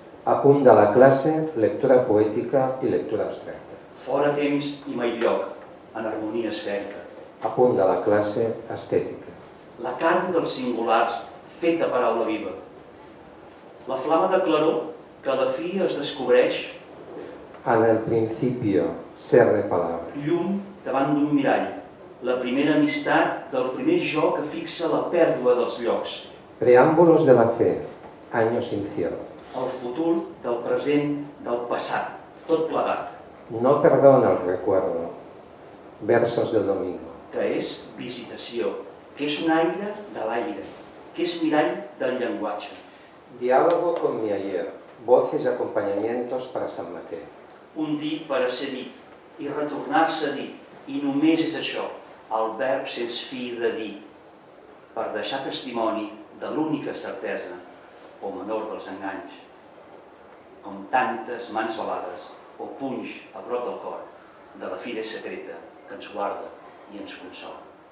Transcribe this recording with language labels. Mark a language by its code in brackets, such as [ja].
[ca] A punt de la classe, lectura poètica i lectura abstracta. Fora temps i mai lloc, en harmonia esfèrica. A punt de la classe, estètica. La carn dels singulars, feta paraula viva. La flama de claror, que a la fi es descobreix. [es] En el principio, ser de palabra. [ca] Llum davant d'un mirall, la primera amistat del primer jo que fixa la pèrdua dels llocs. [es] Preàmbulos de la fe, años inciertos. [ca] El futur del present, del passat, tot plegat. [es] No perdona el recuerdo, versos del domingo. [ca] Que és visitació, que és un aire de l'aire, que és mirall del llenguatge. [es] Diálogo con mi ayer, voces y acompañamientos para San Mateo. [ca] Un dir per a ser dit, i retornar-se a dir, i només és això, el verb sense fi de dir, per deixar testimoni de l'única certesa, o menor dels enganys, com tantes mans velades, o punys a prop del cor, de la fira secreta que ens guarda i ens consola.